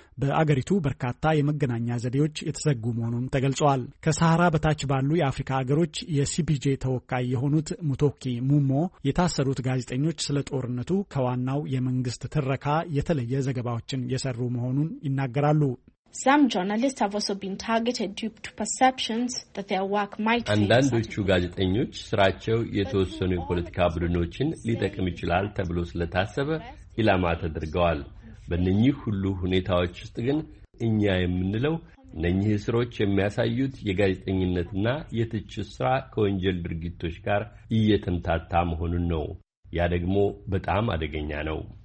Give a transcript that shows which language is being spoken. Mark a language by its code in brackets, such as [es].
[am] በአገሪቱ በርካታ የመገናኛ ዘዴዎች የተዘጉ መሆኑን ተገልጿል። ከሳህራ በታች ባሉ የአፍሪካ አገሮች የሲፒጄ ተወካይ የሆኑት ሙቶኪ ሙሞ የታሰሩት ጋዜጠኞች ስለ ጦርነቱ ከዋናው የመንግስት ትረካ የተለየ ዘገባዎችን የሰሩ መሆኑን ይናገራሉ። [en] Some journalists have also been targeted due to perceptions that their work might face. [am] አንዳንዶቹ ጋዜጠኞች ስራቸው የተወሰኑ የፖለቲካ ቡድኖችን ሊጠቅም ይችላል ተብሎ ስለታሰበ ኢላማ ተደርገዋል። በእነኚህ ሁሉ ሁኔታዎች ውስጥ ግን እኛ የምንለው እነኚህ ስሮች የሚያሳዩት የጋዜጠኝነትና የትችት ስራ ከወንጀል ድርጊቶች ጋር እየተንታታ መሆኑን ነው። ያ ደግሞ በጣም አደገኛ ነው።